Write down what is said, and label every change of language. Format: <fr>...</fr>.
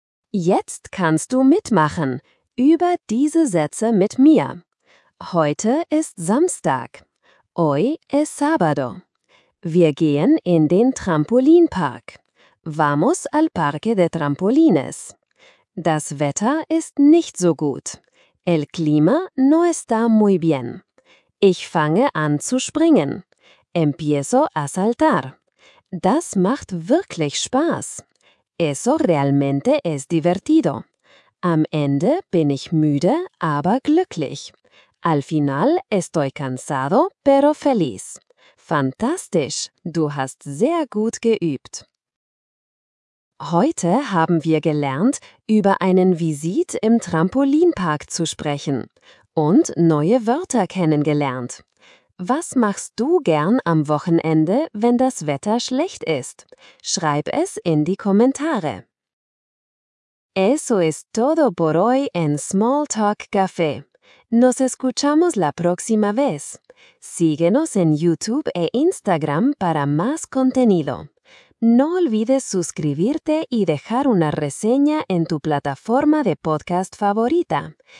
<de>Jetzt kannst du mitmachen über diese Sätze mit mir. Heute ist Samstag.</de> <es>Hoy es sábado.</es> <de>Wir gehen in den Trampolinpark.</de> <es>Vamos al parque de trampolines.</es> <de>Das Wetter ist nicht so gut.</de> <es>El clima no está muy bien. Ich fange an zu springen. Empiezo a saltar.</es> <de>Das macht wirklich Spaß.</de> <es>Eso realmente es divertido.</es> <de>Am Ende bin ich müde, aber glücklich.</de> <es>Al final estoy cansado, pero feliz.</es> <de>Fantastisch, du hast sehr gut geübt. Heute haben wir gelernt, über einen Visit im Trampolinpark zu sprechen und neue Wörter kennengelernt. Was machst du gern am Wochenende, wenn das Wetter schlecht ist? Schreib es in die Kommentare.</de> <es>Eso es todo por hoy en Small Talk Café. Nos escuchamos la próxima vez. Síguenos en YouTube e Instagram para más contenido. No olvides suscribirte y dejar una reseña en tu plataforma de podcast favorita.</es>